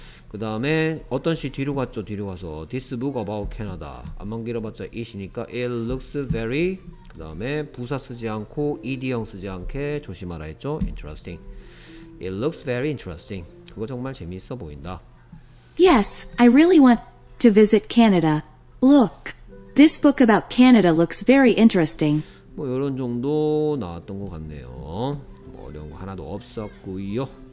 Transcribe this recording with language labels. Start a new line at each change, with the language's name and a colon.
Korean: 그 다음에 어떤 시 뒤로 갔죠? 뒤로 가서
English: This book about Canada.
Korean: 앞만 길어봤자
English: it이니까 It looks very.
Korean: 그 다음에 부사 쓰지 않고 ed형 쓰지 않게 조심하라 했죠?
English: Interesting. It looks very interesting.
Korean: 그거 정말 재미있어 보인다.
English: Yes, I really want to visit Canada. Look, this book about Canada looks very interesting.
Korean: 뭐 요런 정도 나왔던 것 같네요. 뭐 어려운 거 하나도 없었고요.